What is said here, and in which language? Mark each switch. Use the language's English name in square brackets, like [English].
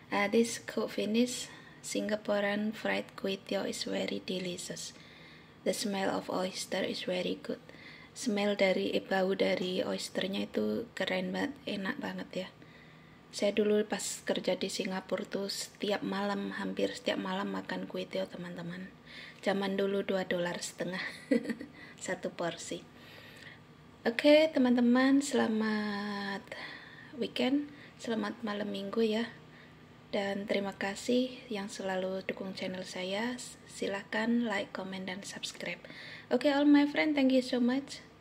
[English] This good finish Singaporean fried kuetiau is very delicious. The smell of oyster is very good. [Indonesian] Smell dari bau dari oysternya itu keren banget, enak banget ya. Saya dulu pas kerja di Singapura tuh setiap malam, hampir setiap malam makan kuetiau teman-teman. Zaman dulu 2 dolar setengah satu porsi. Oke, teman-teman, selamat weekend, selamat malam minggu ya. Dan terima kasih yang selalu dukung channel saya. Silakan like, comment, dan subscribe. [English] Okay, all my friend, thank you so much.